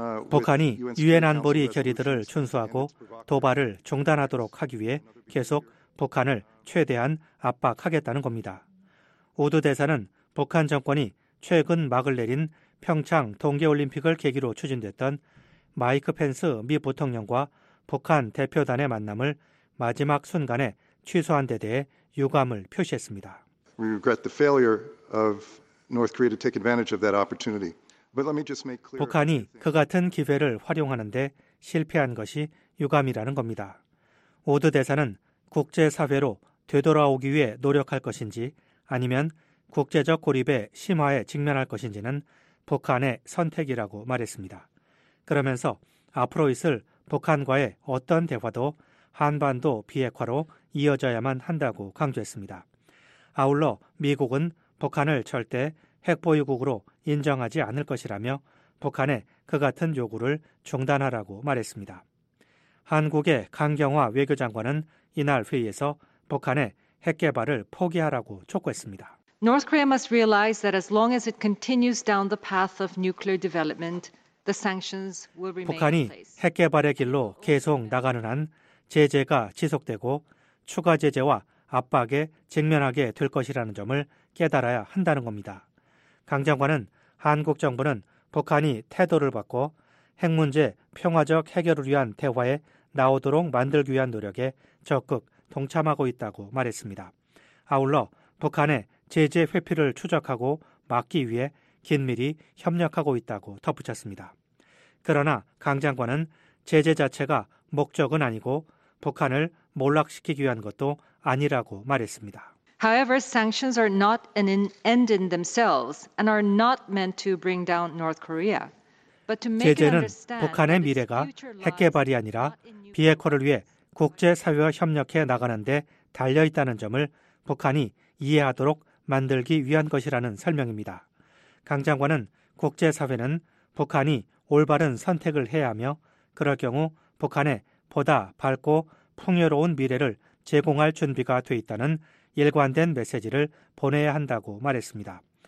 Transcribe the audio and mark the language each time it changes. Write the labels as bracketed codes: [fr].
[ko] 북한이 유엔 안보리 결의들을 준수하고 도발을 중단하도록 하기 위해 계속 북한을 최대한 압박하겠다는 겁니다. 우드 대사는 북한 정권이 최근 막을 내린 평창 동계올림픽을 계기로 추진됐던 마이크 펜스 미 부통령과 북한 대표단의 만남을 마지막 순간에 취소한 데 대해 유감을 표시했습니다. [en] We regret the failure of North Korea to take advantage of that opportunity. But let me just make clear. [ko] 북한이 그 같은 기회를 활용하는데 실패한 것이 유감이라는 겁니다. 우드 대사는 국제사회로 되돌아오기 위해 노력할 것인지 아니면 국제적 고립의 심화에 직면할 것인지는 북한의 선택이라고 말했습니다. 그러면서 앞으로 있을 북한과의 어떤 대화도 한반도 비핵화로 이어져야만 한다고 강조했습니다. 아울러 미국은 북한을 절대 핵보유국으로 인정하지 않을 것이라며 북한의 그 같은 요구를 중단하라고 말했습니다. 한국의 강경화 외교장관은 이날 회의에서 북한의 핵 개발을 포기하라고 촉구했습니다. [en] North Korea must realize that as long as it continues down the path of nuclear development, the sanctions will remain. [ko] 북한이 핵 개발의 길로 계속 나가는 한 제재가 지속되고 추가 제재와 압박에 직면하게 될 것이라는 점을 깨달아야 한다는 겁니다. 강 장관은 한국 정부는 북한이 태도를 바꿔 핵 문제 평화적 해결을 위한 대화에 나오도록 만들기 위한 노력에 적극 동참하고 있다고 말했습니다. 아울러 북한의 제재 회피를 추적하고 막기 위해 긴밀히 협력하고 있다고 덧붙였습니다. 그러나 강 장관은 제재 자체가 목적은 아니고 북한을 몰락시키기 위한 것도 아니라고 말했습니다. [en] However, sanctions are not an end in themselves and are not meant to bring down North Korea. But to make [ko] 제재는 북한의 미래가 핵 개발이 아니라 비핵화를 위해 국제 사회와 협력해 나가는 데 달려 있다는 점을 북한이 이해하도록 만들기 위한 것이라는 설명입니다. 강 장관은 국제 사회는 북한이 올바른 선택을 해야 하며 그럴 경우 북한의 보다 밝고 풍요로운 미래를 제공할 준비가 돼 있다는 일관된 메시지를 보내야 한다고 말했습니다.